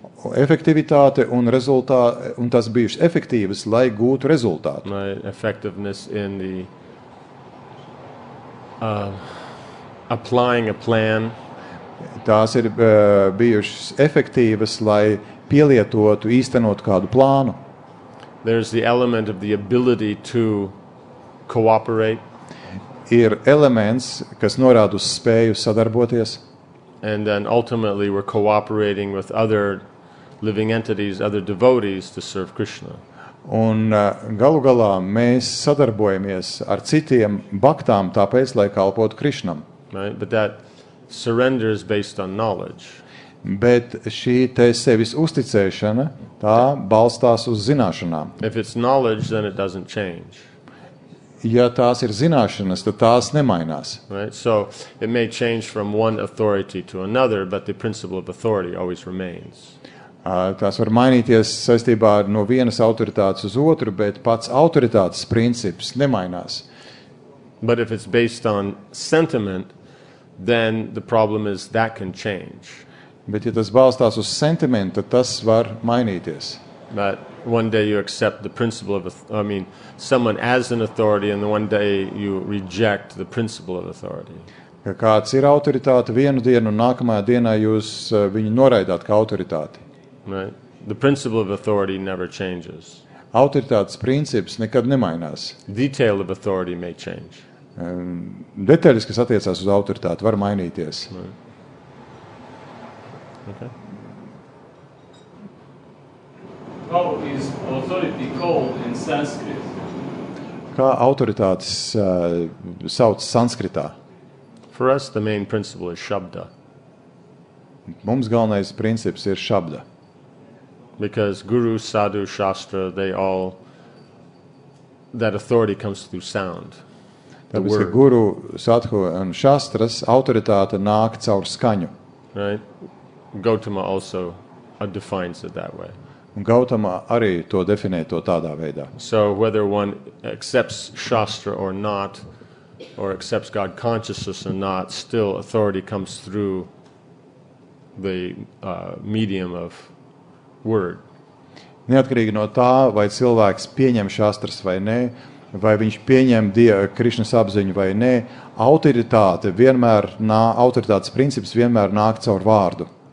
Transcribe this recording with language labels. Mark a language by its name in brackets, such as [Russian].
[Latvian] Efektivitāte un rezultāti, un tas bijušas efektīvas, lai gūtu rezultātu. [English] Right, effectiveness in the applying a plan. [Latvian] Tās ir bijušas efektīvas, lai pielietotu, īstenotu kādu plānu. [English] There's the element of the ability to cooperate. [Latvian] Ir elements, kas norāda uz spēju sadarboties. [English] And then ultimately we're cooperating with other living entities, other devotees to serve Krishna. [Latvian] Un galu galā mēs sadarbojamies ar citiem baktām tāpēc, lai kalpotu Krishnam. [English] Right? But that surrender is based on knowledge. [Latvian] Bet šī te sevis uzticēšana, tā balstās uz zināšanām. [English] If it's knowledge, then it doesn't change. [Latvian] Ja tās ir zināšanas, tad tās nemainās. [English] Right? So it may change from one authority to another, but the principle of authority always remains. [Latvian] Tās var mainīties saistībā no vienas autoritātes uz otru, bet pats autoritātes princips nemainās. [English] But if it's based on sentiment, then the problem is that can change. [Latvian] Bet ja tas balstās uz sentimentu, tad tas var mainīties. [English] But one day you accept the principle of someone as an authority and one day you reject the principle of authority. [Latvian] Ja kāds ir autoritāte vienu dienu un nākamajā dienā jūs viņu noraidāt kā autoritāti. [English] Right? The principle of authority never changes. [Latvian] Autoritātes princips nekad nemainās. [English] Detail of authority may change. [Latvian] Detaļas, kas attiecās uz autoritāti, var mainīties. [English] Right. Okay. How is authority called in Sanskrit? [Latvian] Kā autoritātes sauc sanskritā? [English] For us the main principle is shabda. [Latvian] Mums galvenais princips ir shabda. [English] Because guru, sadhu, shastra, they all that authority comes through sound. [Latvian] Tāpēc, ka guru, sadhu un shastras autoritāte nāk caur skaņu. [English] Right? Gautama also defines it that way. [Latvian] Un Gautama arī to definē to tādā veidā. [English] So whether one accepts shastra or not, or accepts God consciousness or not, still authority comes through the medium of word. [Latvian] Neatkarīgi no tā, vai cilvēks pieņem shastras vai nē, vai viņš pieņem Krišnas apziņu vai nē, autoritātes princips vienmēr nāk caur vārdu.